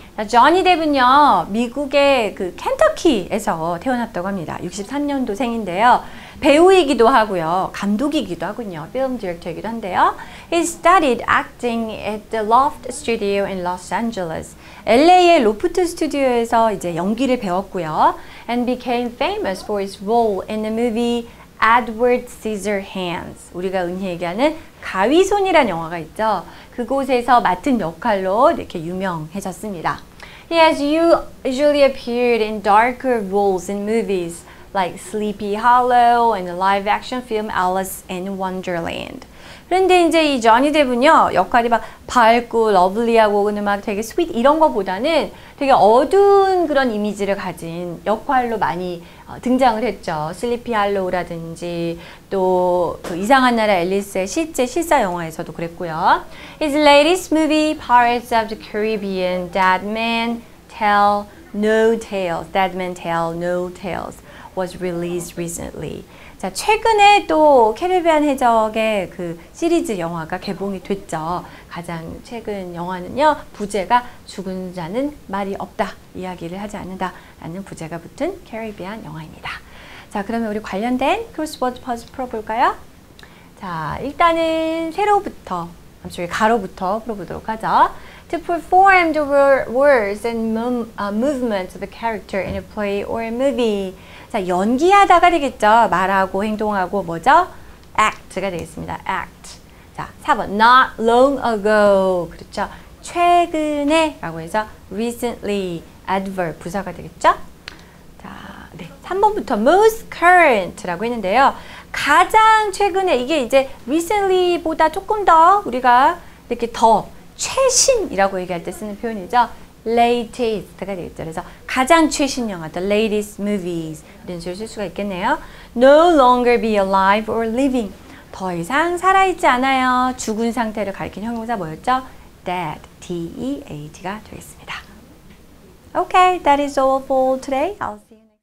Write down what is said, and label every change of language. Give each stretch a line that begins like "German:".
Korean: 자, 조니 뎁은요, 미국의 그 켄터키에서 태어났다고 합니다. 63년도 생인데요. 배우이기도 하고요. 감독이기도 하군요. 필름 디렉터이기도 한데요.
English: He studied acting at the Loft Studio in Los Angeles.
Korean: LA의 로프트 스튜디오에서 이제 연기를 배웠고요.
English: And became famous for his role in the movie Edward Scissorhands.
Korean: 우리가 은희 얘기하는 가위손이라는 영화가 있죠. 그곳에서 맡은 역할로 이렇게 유명해졌습니다.
English: He has usually appeared in darker roles in movies like Sleepy Hollow and the live-action film Alice in Wonderland.
Korean: 그런데 이제 이 Johnny Depp은요, 역할이 막 밝고 러블리하고 막 되게 스윗 이런 것보다는 되게 어두운 그런 이미지를 가진 역할로 많이 등장을 했죠. Sleepy Hollow라든지 또 그 이상한 나라 앨리스의 실제 실사 영화에서도 그랬고요.
English: His latest movie, Pirates of the Caribbean, Dead Men Tell No Tales, Dead Men Tell No Tales was released recently.
Korean: 자, 최근에 또 캐리비안 해적의 그 시리즈 영화가 개봉이 됐죠. 가장 최근 영화는요, 부제가 죽은 자는 말이 없다, 이야기를 하지 않는다 라는 부제가 붙은 캐리비안 영화입니다. 자, 그러면 우리 관련된 크로스워드 퍼즐 풀어볼까요? 자, 일단은 세로부터, 아무튼 가로부터 풀어보도록 하죠.
English: To perform the words and movements of a character in a play or a movie.
Korean: 자, 연기하다가 되겠죠. 말하고 행동하고 뭐죠? Act가 되겠습니다. Act. 자, 4번.
English: Not long ago.
Korean: 그렇죠. 최근에 라고 해서 recently. Adverb. 부사가 되겠죠. 자, 네. 3번부터 most current 라고 했는데요. 가장 최근에 이게 이제 recently 보다 조금 더 우리가 이렇게 더 최신이라고 얘기할 때 쓰는 표현이죠. Latest가 되겠죠. 그래서 가장 최신 영화, The Latest Movies 이런 식으로 쓸 수가 있겠네요.
English: No longer be alive or living.
Korean: 더 이상 살아있지 않아요. 죽은 상태를 가리킨 형용사 뭐였죠?
English: Dead, D-E-A-D가
Korean: 되겠습니다.
English: Okay, that is all for today. I'll see you.